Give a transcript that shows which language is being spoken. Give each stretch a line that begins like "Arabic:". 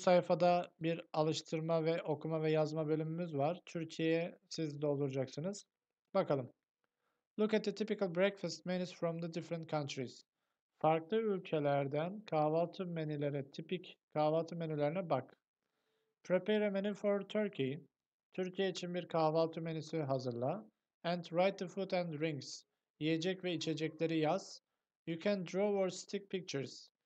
Turkish: sayfada bir alıştırma ve okuma ve yazma bölümümüz var. Türkiye'ye siz dolduracaksınız. Bakalım.
English: Look at the typical breakfast menus from the different countries.
Turkish: Farklı ülkelerden kahvaltı menülerine, tipik kahvaltı menülerine bak.
English: Prepare a menu for Turkey.
Turkish: Türkiye için bir kahvaltı menüsü hazırla.
English: And write the food and drinks.
Turkish: Yiyecek ve içecekleri yaz.
English: You can draw or stick pictures.